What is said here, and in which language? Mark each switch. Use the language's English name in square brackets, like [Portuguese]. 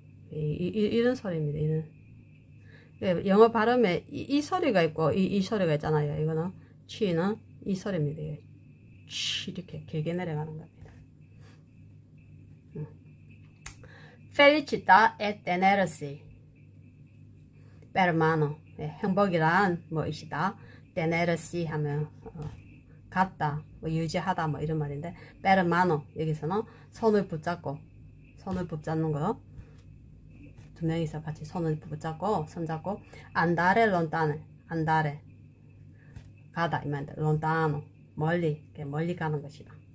[Korean] 이런 소리입니다. 이런. 예, 영어 발음에 이 소리가 있고 이 소리가 있잖아요. 이거는 C는 이 소리입니다. 예. 이렇게 길게 내려가는 겁니다. [Italian] Felicità è tenersi per mano. [Korean] 예, 행복이란 무엇이다? Tenersi 하면 갖다, 뭐 유지하다 뭐 이런 말인데 [Italian] per mano [Korean] 여기서는 손을 붙잡고 손을 붙잡는 거 두 명이서 같이 손을 붙잡고 손잡고 [Italian] andare lontano [Korean] andare 가다 이 말인데 lontano 멀리 이렇게 멀리 가는 것이다.